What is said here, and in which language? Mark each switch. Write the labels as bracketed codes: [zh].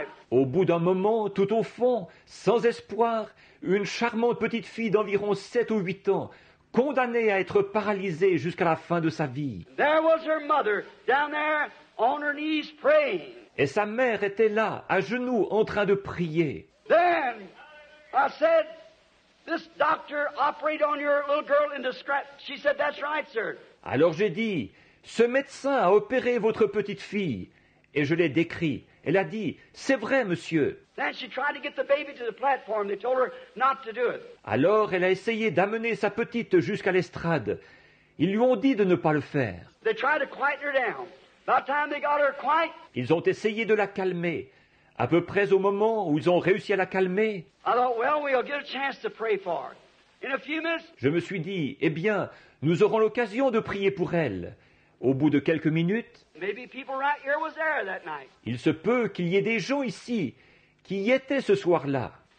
[fr] Au bout d'un moment, tout au fond, sans espoir, une charmante petite fille d'environ 7 ou 8 ans condamnée à être paralysée jusqu'à la fin de sa vie. [en] There was her mother down there on her knees praying. [fr] Et sa mère était là, à genoux, en train de prier. [en] Then I said, this doctor operated on your little girl in the scratch. She said, that's right, sir. [fr] Alors j'ai dit, ce médecin a opéré votre petite fille. Et je l'ai décrit. Elle a dit, c'est vrai, monsieur. [en] Then she tried to get the baby to the platform. They told her not to do it. [fr] Alors, elle a essayé d'amener sa petite jusqu'à l'estrade. Ils lui ont dit de ne pas le faire. [en] They tried to quiet her down. By the time they got her quiet, [fr] ils ont essayé de la calmer. À peu près au moment où ils ont réussi à la calmer, [en] I thought, well, we'll get a chance to pray for her. In a few minutes, [fr] je me suis dit, eh bien, nous aurons l'occasion de prier pour elle. Au bout de quelques minutes, [en] maybe people right here was there that night. [fr] Il se peut qu'il y ait des gens ici qui y était ce soir-là.